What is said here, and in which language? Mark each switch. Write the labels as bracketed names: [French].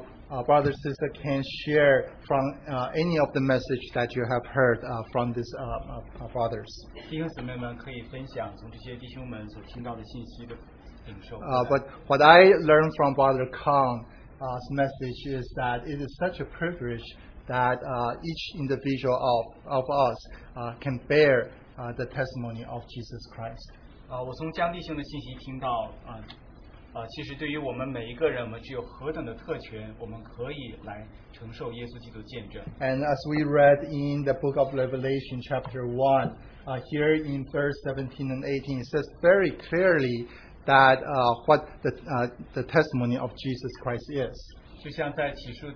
[English] Brother Sister can share from any of the message that you have heard from these brothers. [Chinese] 弟兄姊妹们可以分享从这些弟兄们所听到的信息的, [English] but what I learned from Brother Kong's message is that it is such a privilege that each individual of us can bear the testimony of Jesus Christ. [Chinese] 我从江弟兄的信息听到，其实对于我们每一个人，我们具有何等的特权，我们可以来承受耶稣基督见证。 [English] And as we read in the book of Revelation chapter 1, here in verse 17 and 18, it says very clearly that what the testimony of Jesus Christ is.